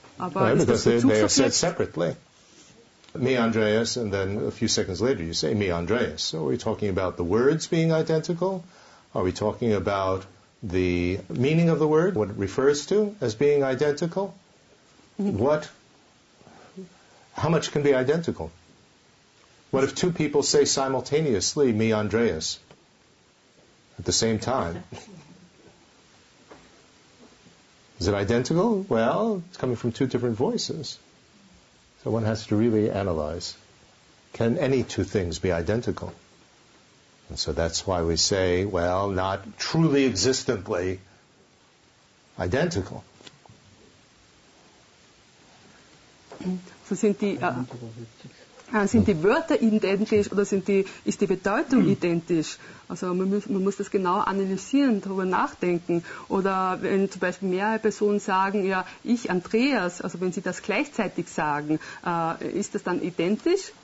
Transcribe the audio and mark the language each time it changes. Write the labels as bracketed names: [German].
[German] Aber ist das Bezugsobjekt? [English] Me, Andreas, and then a few seconds later you say me, Andreas. So are we talking about the words being identical? Are we talking about the meaning of the word, what it refers to as being identical? What? How much can be identical? What if two people say simultaneously me, Andreas, at the same time? Is it identical? Well, it's coming from two different voices. So one has to really analyze, can any two things be identical? And so that's why we say, well, not truly existently identical. [German] So sind die Wörter identisch oder ist die Bedeutung identisch? Also man muss das genau analysieren, darüber nachdenken. Oder wenn zum Beispiel mehrere Personen sagen, ja, ich, Andreas, also wenn sie das gleichzeitig sagen, ist das dann identisch?